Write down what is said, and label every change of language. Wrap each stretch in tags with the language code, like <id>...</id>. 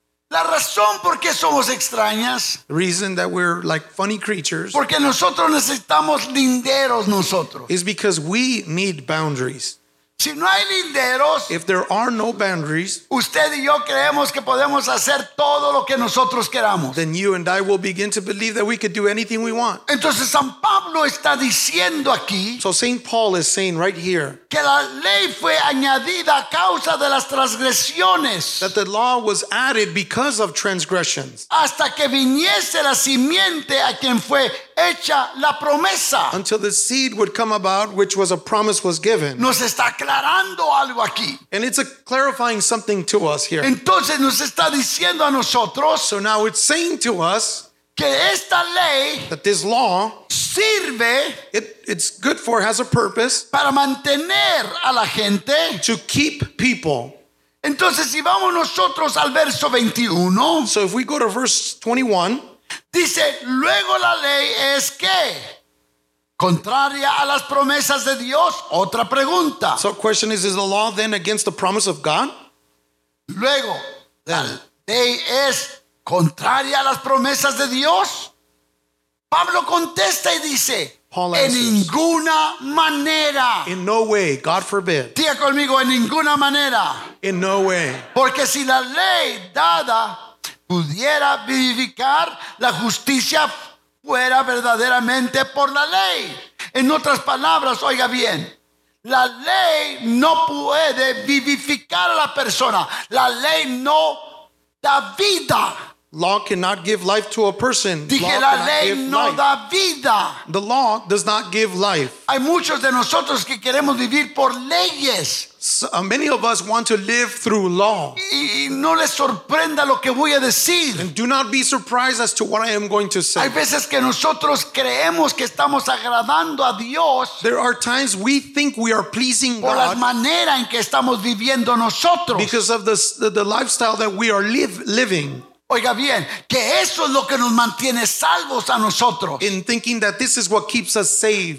<es>La razón por qué somos extrañas.</es> <en>The reason that we're like funny creatures.</en> <es>Porque nosotros necesitamos linderos nosotros.</es> <en>Is because we need boundaries.</en> <es>Si no hay linderos,</es> <en>if there are no boundaries,</en> <es>usted y yo creemos que podemos hacer todo lo que nosotros queramos.</es> <en>Then you and I will begin to believe that we could do anything we want.</en> <es>Entonces San Pablo está diciendo aquí,</es> <en>so St. Paul is saying right here,</en> <es>que la ley fue añadida a causa de las transgresiones,</es> <en>that the law was added because of transgressions,</en> <es>hasta que viniese la simiente a quien fue hecha la promesa,</es> <en>until the seed would come about which was a promise was given.</en> <es>Nos está aclarando algo aquí.</es> <en>And it's a clarifying something to us here.</en> <es>Entonces nos está diciendo a nosotros,</es> <en>so now it's saying to us,</en> <es>que esta ley,</es> <en>that this law,</en> <es>sirve,</es> <en>it's good for, has a purpose,</en> <es>para mantener a la gente,</es> <en>to keep people.</en> <es>Entonces si vamos nosotros al verso 21,</es> <en>so if we go to verse 21,</en> <es>dice, luego la ley es que contraria a las promesas de Dios, otra pregunta.</es> <en>So question is the law then against the promise of God?</en> <es>Luego, la ley es contraria a las promesas de Dios. Pablo contesta y dice,</es> <en>Paul</en> <es>en ninguna manera.</es> <en>In no way, God forbid.</en> <es>Diga conmigo, en ninguna manera.</es> <en>In no way.</en> <es>Porque si la ley dada pudiera vivificar, la justicia fuera verdaderamente por la ley. En otras palabras, oiga bien, la ley no puede vivificar a la persona. La ley no da vida.</es> <en>Law cannot give life to a person.</en> <es>Dije,</es> <en>law</en> <es>la ley no</es> <en>life.</en> <es>Da vida.</es> <en>The law does not give life.</en> <es>Hay muchos de nosotros que queremos vivir por leyes.</es> <en>So many of us want to live through law.</en> <es>Y no les sorprenda lo que voy a decir.</es> <en>And do not be surprised as to what I am going to say.</en> <es>Hay veces que nosotros creemos que estamos agradando a Dios.</es> <en>There are times we think we are pleasing</en> <es>por</es> <en>God.</en> <es>Por la manera en que estamos viviendo nosotros.</es> <en>Because of the lifestyle that we are living.</en> <es>Oiga bien, que eso es lo que nos mantiene salvos a nosotros.</es> <en>In thinking that this is what keeps us saved.</en>